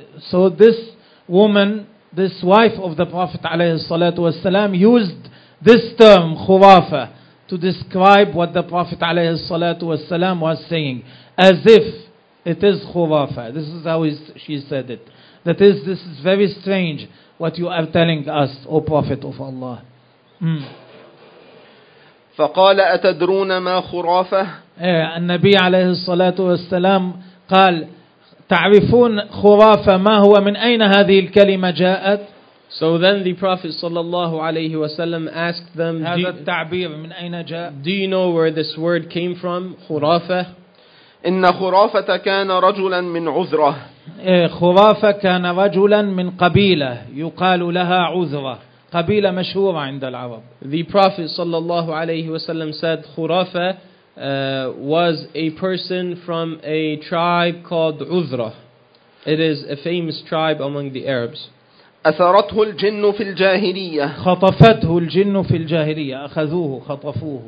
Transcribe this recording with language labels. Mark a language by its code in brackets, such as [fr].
[en] So this woman, this wife of the Prophet [ar] alayhi salatu wasalam, [en] used this term khurafa to describe what the Prophet alayhi salatu wasalam was saying, as if it is khurafa. This is how she said it. That is, this is very strange what you are telling us, O Prophet of Allah. [ar] فقال أتدرون ما خرافة؟ النبي عليه الصلاة والسلام قال تعرفون خرافة ما هو من أين هذه الكلمة جاءت؟ [en] So then the Prophet [ar] صلى الله عليه وسلم [en] asked them, [ar] هذا التعبير من أين جاء؟ [en] Do you know where this word came from, خرافة؟ [ar] إن خرافة كان رجلا من عذرة. خرافة كان رجلا من قبيلة يقال لها عذرة, قبيلة مشهورة عند العرب. [en] The Prophet [ar] صلى الله عليه وسلم [en] said خرافة was a person from a tribe called عذرة. It is a famous tribe among the Arabs. [ar] أثرته الجن في الجاهلية. خطفته الجن في الجاهلية. أخذوه خطفوه.